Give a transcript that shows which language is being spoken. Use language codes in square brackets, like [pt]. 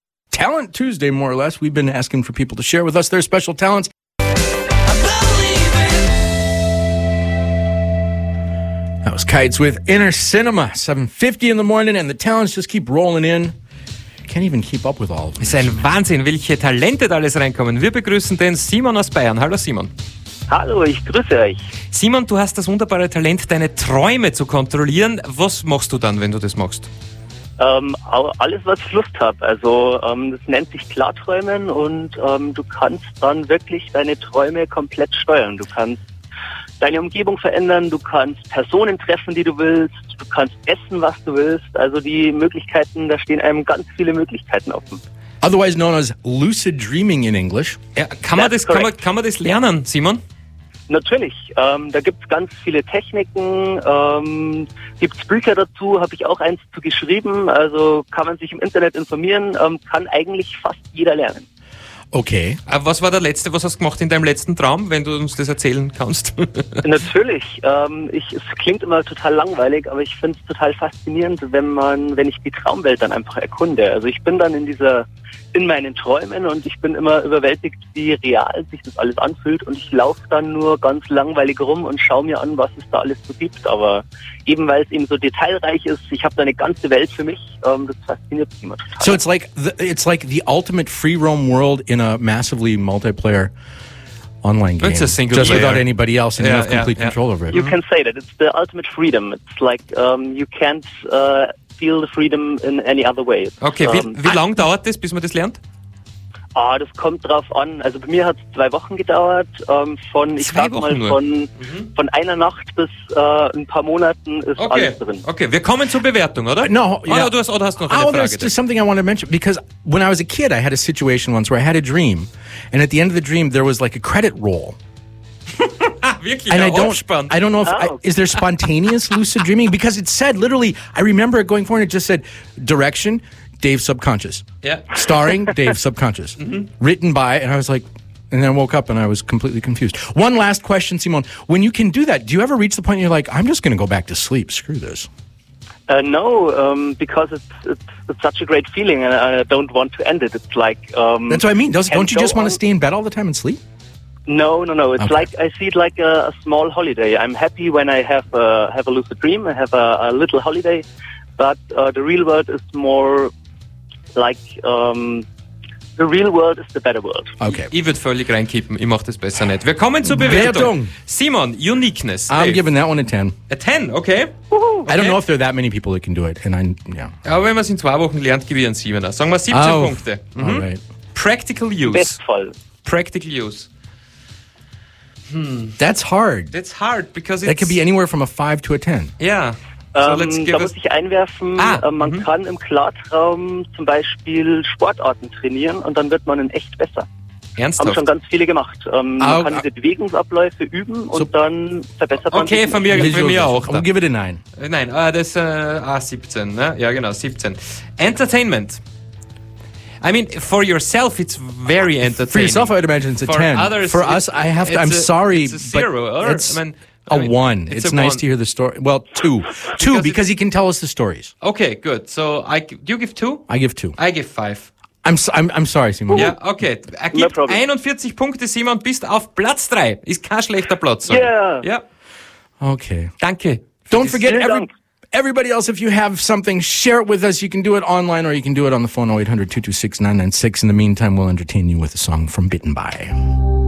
[en] Talent Tuesday, more or less. We've been asking for people to share with us their special talents. That was Kites with Inner Cinema, 7:50 in the morning, and the talents just keep rolling in. Can't even keep up with all of them. [de] Es ist ein Wahnsinn, welche Talente da alles reinkommen. Wir begrüßen den Simon aus Bayern. Hallo Simon. Hallo, ich grüße euch. Simon, du hast das wunderbare Talent, deine Träume zu kontrollieren. Was machst du dann, wenn du das machst? Alles, was ich Lust habe. Also das nennt sich Klarträumen und du kannst dann wirklich deine Träume komplett steuern. Du kannst deine Umgebung verändern, du kannst Personen treffen, die du willst, du kannst essen, was du willst. Also die Möglichkeiten, da stehen einem ganz viele Möglichkeiten offen. [en] Otherwise known as lucid dreaming in English. [de] Ja, kann man das lernen, Simon? Natürlich. Da gibt es ganz viele Techniken. Gibt es Bücher dazu, habe ich auch eins zu geschrieben. Also kann man sich im Internet informieren, kann eigentlich fast jeder lernen. Okay. Was war der letzte, was hast du gemacht in deinem letzten Traum, wenn du uns das erzählen kannst? Natürlich. Es klingt immer total langweilig, aber ich finde es total faszinierend, wenn ich die Traumwelt dann einfach erkunde. Also ich bin dann in meinen Träumen und ich bin immer überwältigt, wie real sich das alles anfühlt. Und ich laufe dann nur ganz langweilig rum und schaue mir an, was es da alles so gibt. Aber eben weil es eben so detailreich ist, ich habe da eine ganze Welt für mich. Das fasziniert mich immer total. [en] So it's like the ultimate free roam world in a massively multiplayer online game. It's a single just player. Without anybody else, and you have complete control over it. You can say that it's the ultimate freedom. It's like you can't. Feel the freedom in any other way. [de] Okay, wie lange dauert das, bis man das lernt? Ah, das kommt drauf an. Also bei mir hat es 2 Wochen gedauert. Von einer Nacht bis ein paar Monaten ist alles drin. Okay, wir kommen zur Bewertung, oder? Du hast noch eine Frage. [en] There's just something I want to mention, because when I was a kid, I had a situation once where I had a dream, and at the end of the dream, there was like a credit roll. [de] Wirklich, [en] I don't know if is there spontaneous lucid dreaming? Because it said, literally, I remember it going forward, it just said, direction, Dave Subconscious. Yeah. Starring, Dave Subconscious. Mm-hmm. Written by, and I was like, and then I woke up and I was completely confused. One last question, Simon. When you can do that, do you ever reach the point where you're like, I'm just going to go back to sleep, screw this? No, because it's such a great feeling and I don't want to end it. It's like... That's what I mean. Don't you just want to stay in bed all the time and sleep? No. It's like, I see it like a small holiday. I'm happy when I have a lucid dream. I have a little holiday, but the real world is more like, the real world is the better world. Okay. [de] Ich würde völlig reinkippen. Ich mache das besser nicht. Wir kommen zur Bewertung. [en] Simon, uniqueness. I'm giving that one a 10. A 10, okay. I don't know if there are that many people that can do it. [de] Aber wenn man es in 2 Wochen lernt, gebe ich einen 7er. Sagen wir 17 Punkte. [en] Mhm. All right. Practical use. Bestvoll. Practical use. That's hard. That's hard because it could be anywhere from a 5 to a 10. Yeah. [de] Muss ich einwerfen. Man kann im Klartraum zum Beispiel Sportarten trainieren und dann wird man in echt besser. Ernsthaft? Haben schon ganz viele gemacht. Man kann diese Bewegungsabläufe üben und dann verbessert man sich. Okay, von mir auch. [en] We'll give it a 9. [de] Nein, das ist 17. Ne? Ja, genau, 17. Entertainment. [en] I mean, for yourself, it's very entertaining. For yourself, I would imagine it's a 10. Others, for us, I have to, I'm sorry. It's a 0. But it's one. It's a nice one. To hear the story. Well, 2. because he can tell us the stories. Okay, good. So, do you give 2? I give 2. I give 5. I'm sorry, Simon. Yeah, okay. [de] Er gibt 41 Punkte, Simon, bist auf Platz 3. Ist kein schlechter Platz. [en] Yeah. Yeah. Okay. [de] Danke. [en] Don't forget Everybody else, if you have something, share it with us. You can do it online or you can do it on the phone 0800-226-996. In the meantime, we'll entertain you with a song from Bitten By.